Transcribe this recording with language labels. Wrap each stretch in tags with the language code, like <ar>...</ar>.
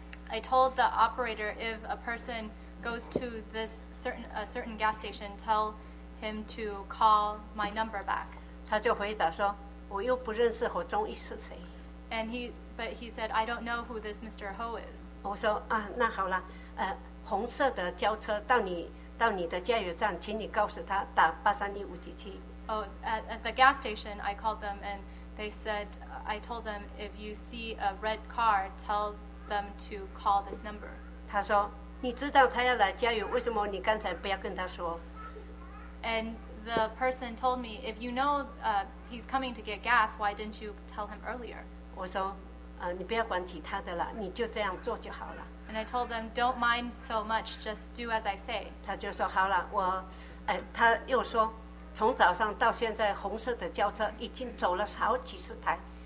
<en>I told the operator if a person goes to this certain, a certain gas station, tell him to call my number back.</en> <zh>他就回答说, 我又不认识何忠义是谁。</zh> <en>And he, but he said, I don't know who this Mr. Ho is.</en> <zh>我说, 啊, 那好了, 红色的轿车, 到你, 到你的加油站, 请你告诉他, 打831577。</zh> <en>Oh, at the gas station, I called them and they said, I told them, if you see a red car, tell them to call this number.</en> <zh>他说, 你知道他要来加油, 为什么你刚才不要跟他说?</zh> <en>And the person told me, if you know he's coming to get gas, why didn't you tell him earlier?</en> <zh>我说, 你不要管其他的了, 你就这样做就好了。</zh> <en>And I told them, don't mind so much, just do as I say.</en> <zh>他就说, 好了, 我, 他又说, 从早上到现在, 红色的轿车, 已经走了好几十台。</zh>